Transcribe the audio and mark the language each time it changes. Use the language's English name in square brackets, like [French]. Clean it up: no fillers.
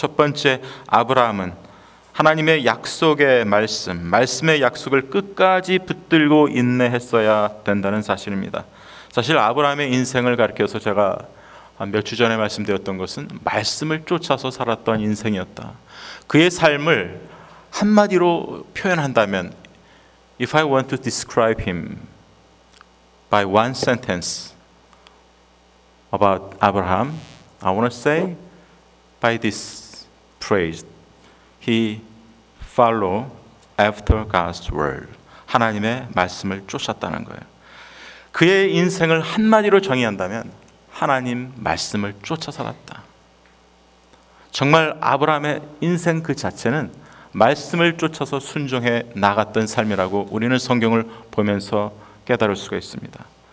[Korean] 첫 번째, 아브라함은 하나님의 약속의 말씀, 말씀의 약속을 끝까지 붙들고 인내했어야 된다는 사실입니다. 사실 아브라함의 인생을 가르쳐서 제가 몇 주 전에 말씀드렸던 것은 말씀을 쫓아서 살았던 인생이었다. 그의 삶을 한마디로 표현한다면 [English] If I want to describe him by one sentence about Abraham, I want to say by this phrase. He follow after God's word. [Korean] 하나님의 말씀을 쫓았다는 거예요. 그의 인생을 한마디로 정의한다면 하나님 말씀을 쫓아 살았다. 정말 아브라함의 인생 그 자체는 말씀을 쫓아서 순종해 나갔던 삶이라고 우리는 성경을 보면서 깨달을 수가 있습니다.